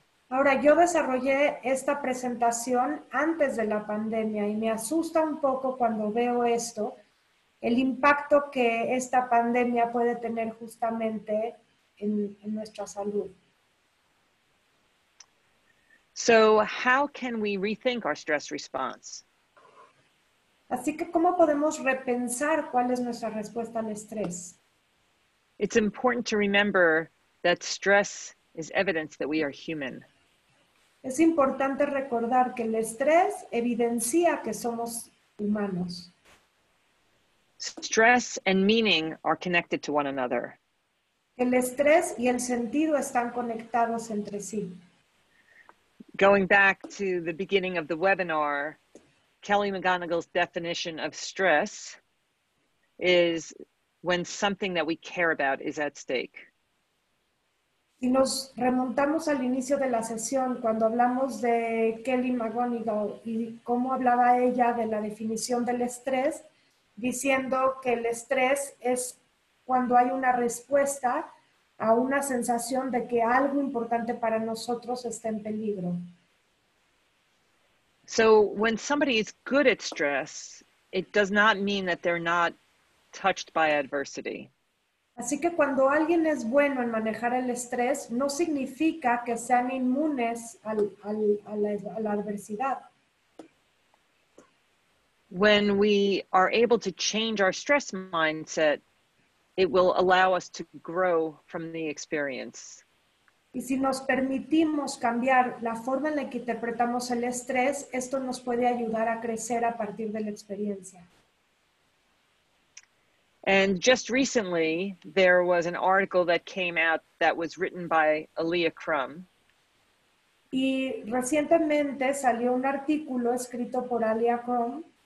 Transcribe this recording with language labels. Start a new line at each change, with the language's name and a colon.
Spanish: Ahora, yo desarrollé esta presentación antes de la pandemia y me asusta un poco cuando veo esto. El impacto que esta pandemia puede tener justamente en nuestra salud.
English: So, how can we rethink our stress response?
Spanish: Así que, ¿cómo podemos repensar cuál es nuestra respuesta al estrés?
English: It's important to remember that stress is evidence that we are human.
Spanish: Es importante recordar que el estrés evidencia que somos humanos.
English: Stress and meaning are connected to one another.
Spanish: El estrés y el sentido están conectados entre sí.
English: Going back to the beginning of the webinar, Kelly McGonigal's definition of stress is when something that we care about is at stake.
Spanish: Si nos remontamos al inicio de la sesión, cuando hablamos de Kelly McGonigal y cómo hablaba ella de la definición del estrés, diciendo que el estrés es cuando hay una respuesta a una sensación de que algo importante para nosotros está en peligro.
English: So when somebody is good at stress, it does not mean that they're not touched by adversity.
Spanish: Así que cuando alguien es bueno en manejar el estrés, no significa que sean inmunes a la adversidad.
English: When we are able to change our stress mindset, it will allow us to grow from the experience.
Spanish: Y si nos permitimos cambiar la forma en la que interpretamos el estrés, esto nos puede ayudar a crecer a partir de la experiencia.
English: And just recently, there was an article that came out that was written by Aaliyah Crum.
Spanish: Y recientemente salió un artículo escrito por Aaliyah Crum.